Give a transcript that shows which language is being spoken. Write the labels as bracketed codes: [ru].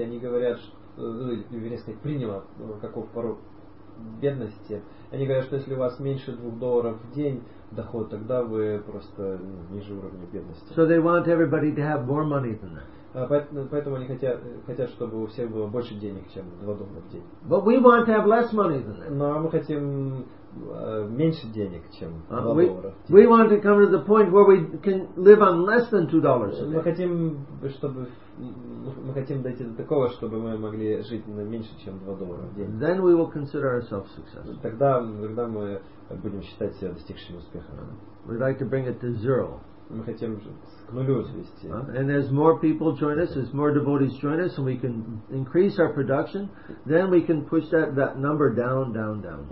[ru] Они говорят, приняла, каков порог бедности. Они говорят, что если у вас меньше $2 в день доход, тогда вы просто ниже уровня бедности. [en] So they want everybody to have more money than that. [ru] Поэтому они хотят, чтобы у всех было больше денег, чем $2 в день. [en] But we want to have less money than that. [ru] Но мы хотим меньше денег, чем $2. [en] We want to come to the point where we can live on less than $2 a day. [ru] Мы хотим дойти до такого, чтобы мы могли жить на меньше, чем $2 в день. [en] Then we will consider ourselves successful. [ru] Тогда мы будем считать себя достигшим успеха. [en] We'd like to bring it to zero. [ru] Мы хотим к нулю свести. [en] And as more people join us, as more devotees join us, and we can increase our production, then we can push that number down, down, down.